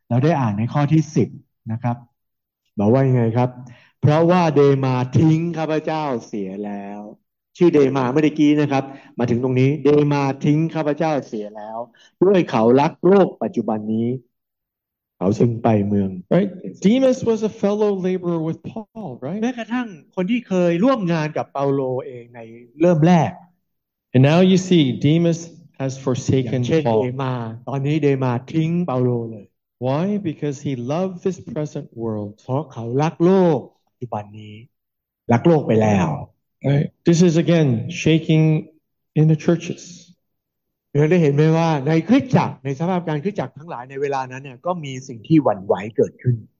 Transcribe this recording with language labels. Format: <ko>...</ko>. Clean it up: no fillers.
<th>เราได้อ่านในข้อที่10นะครับบอกว่ายังไงครับเพราะว่าเดมาทิ้งข้าพเจ้าเสียแล้วชื่อเดมาเมื่อกี้นะครับมาถึงตรงนี้เดมาทิ้งข้าพเจ้าเสียแล้วด้วยเขารักโลกปัจจุบันนี้เขาจึงไปเมือง</th> <en>Right Demas was a fellow laborer with Paul right</en> <th>แม้กระทั่งคนที่เคยร่วมงานกับเปาโลเองในเริ่มแรก</th> <en>And now you see Demas has forsaken Paul</en> <th>เช่นเดมาตอนนี้เดมาทิ้งเปาโลเลย</th> <en>Why because he loved this present world</en> <th>เพราะเขารักโลกปัจจุบันนี้รักโลกไปแล้ว</th> <en>Right. This is again shaking in the churches.</en> <th>เราได้เห็นไหมว่าในคริสตจักรในสภาพการคริสตจักรทั้งหลายในเวลานั้นเนี่ยก็มีสิ่งที่หวั่นไหวเกิดขึ้น</th>